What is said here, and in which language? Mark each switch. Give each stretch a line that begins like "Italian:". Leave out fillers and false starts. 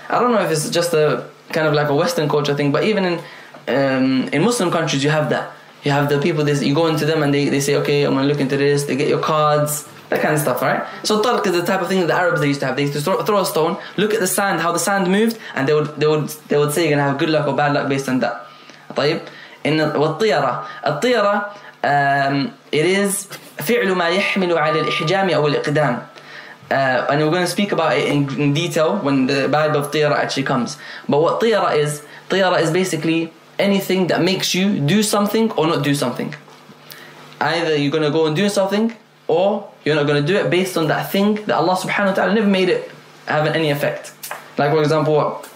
English: I don't know if it's just a kind of like a Western culture thing, but even in Muslim countries, you have that. You have the people, you go into them and they say, okay, I'm going to look into this. They get your cards, that kind of stuff, right? So talq is the type of thing that the Arabs they used to have. They used to throw a stone, look at the sand, how the sand moved, and they would say you're going to have good luck or bad luck based on that.
Arabic: طيب.
English: In
Arabic: الطيارة. الطيارة,
English: it is
Arabic: فعل ما يحمل على الإحجام أو الإقدام.
English: And we're going to speak about it in detail when the Bible of Tiyara actually comes. But what Tiyara is basically anything that makes you do something or not do something. Either you're going to go and do something or you're not going to do it based on that thing that Allah subhanahu wa ta'ala never made it have any effect. Like, for example, what?